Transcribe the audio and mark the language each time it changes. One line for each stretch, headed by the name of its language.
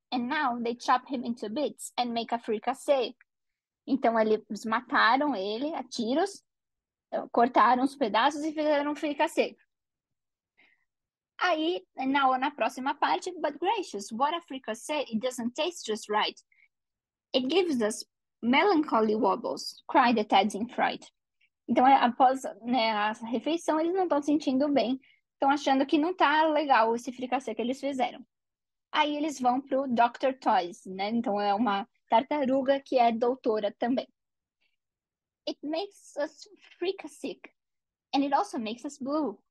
English: And now they chop him into bits and make a fricassee.
Portuguese: Então, eles mataram ele a tiros, cortaram os pedaços e fizeram um fricassê. Aí, na próxima parte,
English: But gracious, what a fricassê, it doesn't taste just right. It gives us melancholy wobbles, cried the Tads in fright.
Portuguese: Então, após, né, a refeição, eles não estão sentindo bem, estão achando que não está legal esse fricassê que eles fizeram. Aí, eles vão para o Dr. Toys, né? Então, é uma tartaruga que é doutora também.
English: It makes us fricasseic, and it also makes us blue.